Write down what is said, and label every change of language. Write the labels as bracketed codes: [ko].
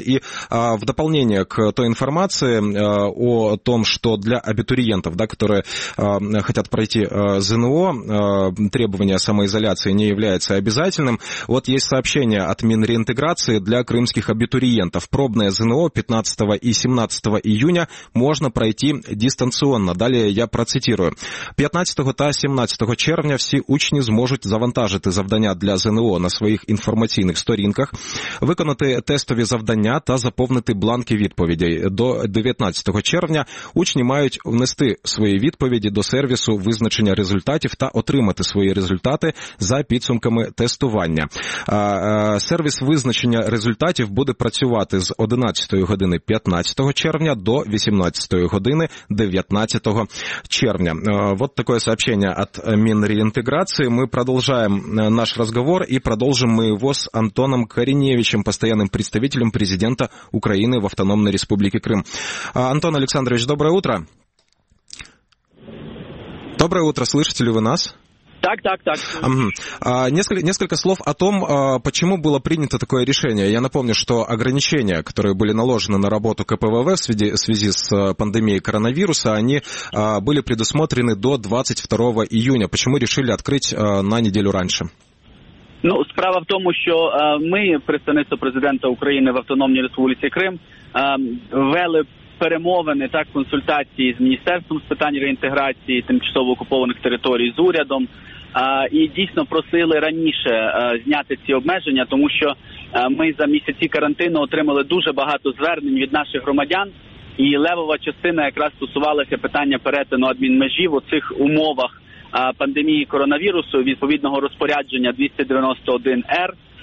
[ru] И в дополнение к той информации о том, что для абитуриентов, да, которые хотят пройти ЗНО, требование самоизоляции не является обязательным. Вот есть сообщение от Минреинтеграции для крымских абитуриентов. Пробное ЗНО 15 и 17 июня можно пройти дистанционно. Далее я процитирую. [uk] 15 та 17 червня все учні зможуть завантажити завдання для ЗНО на своїх інформаційних сторінках, виконати тестові завдання та заповнити бланки відповідей. До 19 червня учні мають внести свої відповіді до сервісу визначення результатів та отримати свої результати за підсумками тестування. Сервіс визначення результатів буде працювати з 11 години 15 червня до 18 години 19 червня. [ru] Вот такое сообщение от Минреинтеграции. Мы продолжаем наш разговор и продолжим мы его с Антоном Кореневичем, постоянным представителем президента Украины в Автономной Республике Крым. Антон Александрович, доброе утро. Доброе утро, слышите ли вы нас? [uk] Так, так, так. [ru] Несколько слов о том, почему было принято такое решение. Я напомню, что ограничения, которые были наложены на работу КПВВ в связи с пандемией коронавируса, они были предусмотрены до 22 июня. Почему решили открыть на неделю раньше? [uk] Ну, справа в тому, що ми, представництво президента України в Автономній Республіці Крим, ввели перемовини, так, консультації з Міністерством з питань реінтеграції тимчасово окупованих територій, з урядом, і дійсно просили раніше зняти ці обмеження, тому що ми за місяці карантину отримали дуже багато звернень від наших громадян, і левова частина якраз стосувалася питання перетину адмінмежі в оцих умовах пандемії коронавірусу, відповідного розпорядження 291-Р.